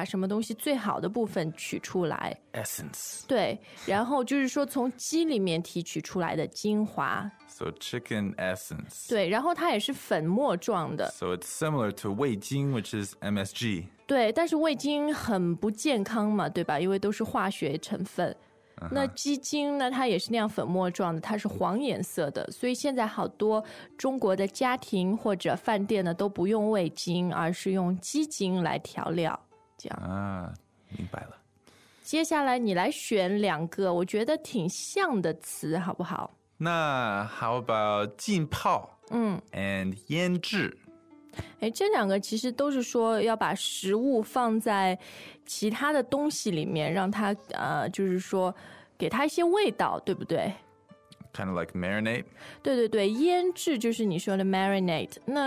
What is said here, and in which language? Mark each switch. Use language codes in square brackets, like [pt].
[zh] 对，但是呢，这个比较健康，比较天然一点，就是说精啊，在这里的解释是精华的意思，把什么东西最好的部分取出来 [en] Essence [zh] 对，然后就是说从鸡里面提取出来的精华 [en] So chicken essence [zh] 对，然后它也是粉末状的 [en] So it's similar to 味精, which is MSG [zh] 对，但是味精很不健康嘛，对吧？因为都是化学成分。那鸡精呢，它也是那样粉末状的，它是黄颜色的。所以现在好多中国的家庭或者饭店呢，都不用味精，而是用鸡精来调料。这样啊，明白了。接下来你来选两个，我觉得挺像的词，好不好？ [en] 那how about 浸泡，and腌制。 [zh] 这两个其实都是说要把食物放在其他的东西里面，让它就是说给它一些味道，对不对？ [en] Kind of like marinate. [zh] 对，腌制就是你说的marinate.